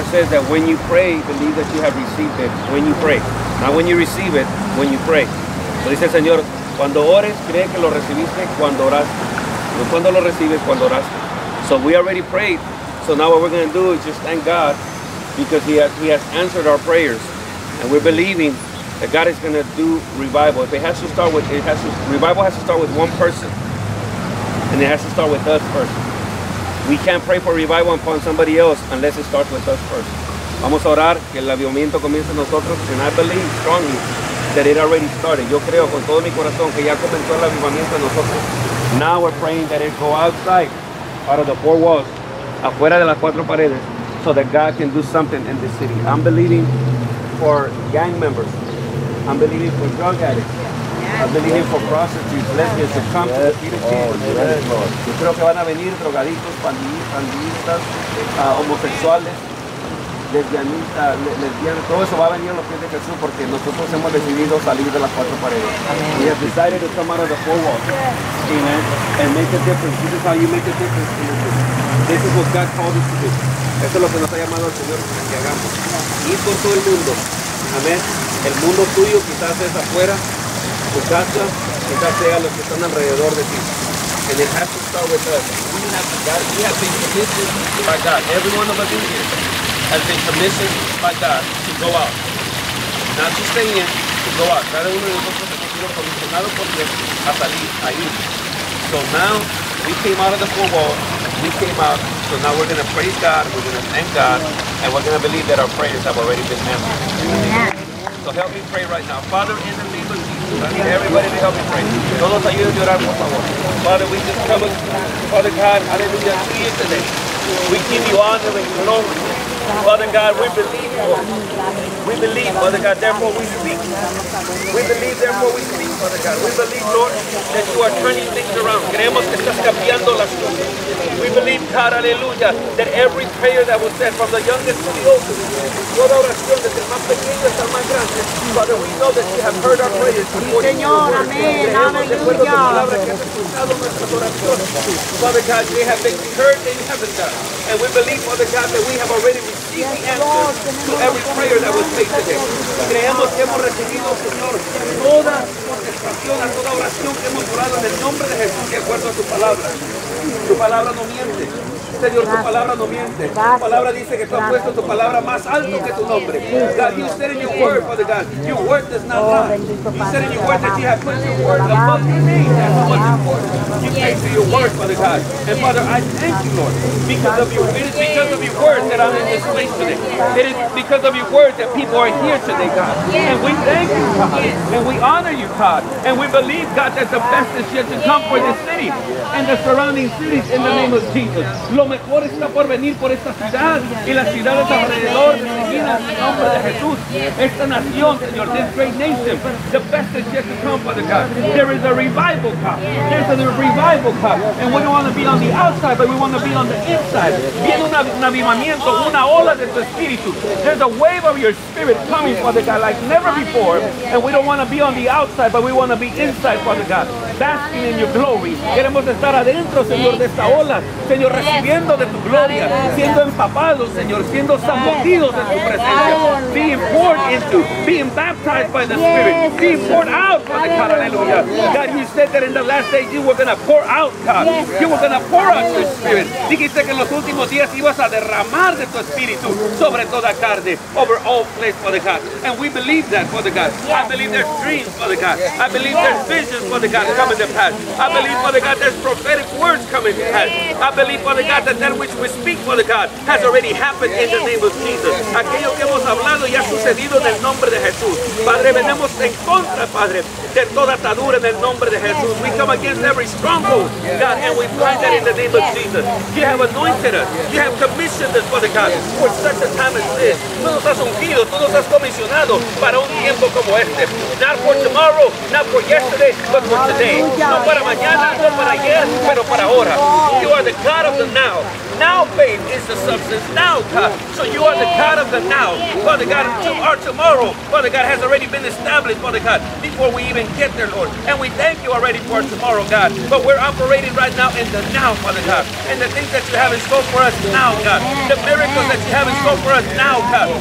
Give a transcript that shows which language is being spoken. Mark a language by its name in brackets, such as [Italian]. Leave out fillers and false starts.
[English] That when you pray, believe that you have received it. When you pray, not when you receive it, when you pray. [Spanish] So dice el Señor, cuando ores, cree que lo recibiste cuando oraste. No cuando lo recibes, cuando oraste. [English] So we already prayed. So now what we're going to do is just thank God because he has answered our prayers, and we're believing that God is going to do revival. If it has to start with, revival has to start with one person, and it has to start with us first. We can't pray for revival upon somebody else unless it starts with us first. [Spanish] Vamos a orar que el avivamiento comience en nosotros. [English] And I believe strongly that it already started. [Spanish] Yo creo con todo mi corazón que ya comenzó el avivamiento en nosotros. [English] Now we're praying that it go outside, out of the four walls, [Spanish] afuera de las cuatro paredes, [English] so that God can do something in this city. I'm believing for gang members. I'm believing for drug addicts. I'm believing for prostitutes, lesbians, to come to the feet of Jesus. [Spanish] Yo creo que van a venir drogadictos, pandillistas, homosexuales, lesbianas, todo eso va a venir a los pies de Jesús porque nosotros hemos decidido salir de las cuatro paredes. [English] We have decided to come out of the four walls. Amen. And make a difference. This is how you make a difference. This is what God called us to do. [Spanish] Esto es lo que nos ha llamado el Señor que hagamos. Ir por todo el mundo. Amén. El mundo tuyo quizás es afuera. Tu casa, quizás sea los que están alrededor de ti. [English] And it has to start with us. We have been commissioned by God. Every one of us in here has been commissioned by God to go out. Not to stay in, to go out. [Spanish] Cada uno de nosotros ha sido comisionado por Dios a salir ahí. [English] So now, we came out of the four walls, we came out, so now we're going to praise God, we're going to thank God, and we're going to believe that our prayers have already been answered. Amen. So help me pray right now. Father, in the name of Jesus, everybody to help me pray. [Spanish] Todos ayuden a orar, por favor. [English] Father, we just come with you. Father God, hallelujah, to you today. We give you honor and glory. Father God, we believe you. We believe, Father God, therefore we speak. We believe, therefore we speak, Father God. We believe, Lord, that you are turning things around. [Spanish] Creemos que estás cambiando las cosas. [English] We believe, God, hallelujah, that every prayer that was said, from the youngest to the oldest, [Spanish] toda oración desde el más pequeño hasta el más grande, [English] Father, we know that you have heard our prayers before you. [Spanish] Señor, amén, hallelujah. [English] Father God, they have been heard in heaven, God. And we believe, Father God, that we have already received the answer to every prayer that was made today. [Spanish] Creemos que hemos recibido, Señor, toda contestación a toda oración que hemos orado en el nombre de Jesús de acuerdo a tu palabra. Tu palabra no miente. Señor, tu palabra no miente. Tu palabra dice que tú has puesto tu palabra más alto que tu nombre. [English] God, you said in your word, Father God, your word does not lie. You said in your word that you have put your word above your name. That's what's important. You came to your word, Father God. And Father, I thank you, Lord, because of your, it is because of your word that I'm in this place today. It is because of your word that people are here today, God. And we thank you, God. And we honor you, God. And we believe, God, that the best is yet to come for this city and the surrounding cities in the name of Jesus. [Spanish] Lo mejor está por venir por esta ciudad y las ciudades alrededor de Seguin en el nombre de Jesús. Esta nación, Señor, [English] this great nation, the best is yet to come, Father God. There is a revival, God. There's a revival, God. And we don't want to be on the outside, but we want to be on the inside. [Spanish] Viene un avivamiento, una ola de tu espíritu. [English] There's a wave of your spirit coming, Father God, like never before. And we don't want to be on the outside, but we want to be inside, Father God, basking in your glory. [Spanish] Queremos estar adentro, Señor, de esta ola. Señor, recibiendo de tu gloria, siendo empapados, Señor, siendo sacudidos de tu presencia. [English] Being poured into being baptized by the Spirit, being poured out, Father God, hallelujah. God, you said that in the last days you were going to pour out, God. You were going to pour out your Spirit. [Spanish] Dijiste que en los últimos días ibas a derramar de tu Espíritu sobre toda carne, [English] over all flesh, Father God. And we believe that, Father God. I believe there's dreams, Father God. I believe there's visions, Father God, coming to pass. I believe, Father God, there's prophetic words coming to pass. I believe, Father God, that which we speak, Father God, has already happened in the name of Jesus. [Spanish] Aquello que hemos hablado ya ha sucedido en el nombre de Jesús. Padre, venemos en contra, Padre, de toda atadura en el nombre de Jesús. [English] We come against every stronghold, God, and we find that in the name of Jesus. You have anointed us. You have commissioned us, Father God, for such a time as this. [Spanish] Tú nos has ungido, tú nos has comisionado para un tiempo como este. [English] Not for tomorrow, not for yesterday, but for today. [Spanish] No para mañana, no para ayer, pero para ahora. [English] You are the God of the now. Now faith is the substance. Now, God. So you are the God of the now. Father God, our tomorrow, Father God, has already been established, Father God, before we even get there, Lord. And we thank you already for tomorrow, God. But we're operating right now in the now, Father God. And the things that you have in store for us now, God. The miracles that you have in store for us now, God.